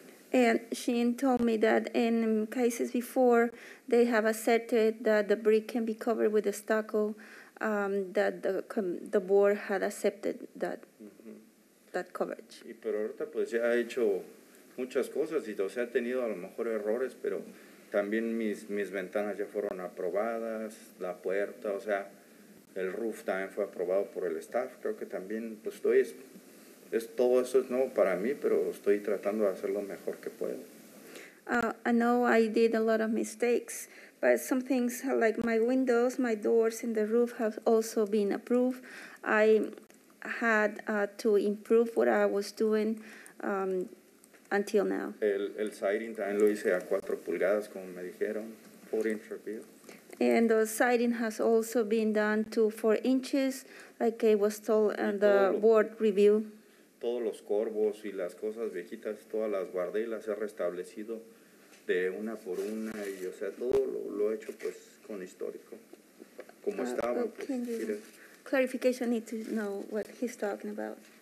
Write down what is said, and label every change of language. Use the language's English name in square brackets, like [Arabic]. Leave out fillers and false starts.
[English] And Shin told me that in cases before, they have accepted that the brick can be covered with a stucco, that the board had accepted that, mm-hmm. that coverage. [Spanish] Y pero ahorita pues ya ha hecho muchas cosas y se ha tenido a lo mejor errores, pero también mis ventanas ya fueron aprobadas, la puerta, o sea, el roof también fue aprobado por el staff. Creo que también, pues estoy, todo eso es nuevo para mí, pero estoy tratando de hacer lo mejor que puedo. [English] I know I did a lot of mistakes, but some things like my windows, my doors, and the roof have also been approved. I had to improve what I was doing until now. [Spanish] El siding también lo hice a 4 pulgadas, como me dijeron, 4-inch reveal. [English] And the siding has also been done to 4 inches, like it was told in the board review. [Spanish] Todos los corvos y las cosas viejitas, todas las guardé y las he restablecido de una por una. Y, o sea, todo lo he hecho, pues, con histórico. Como estaba, pues, [English] clarification, need to know what he's talking about.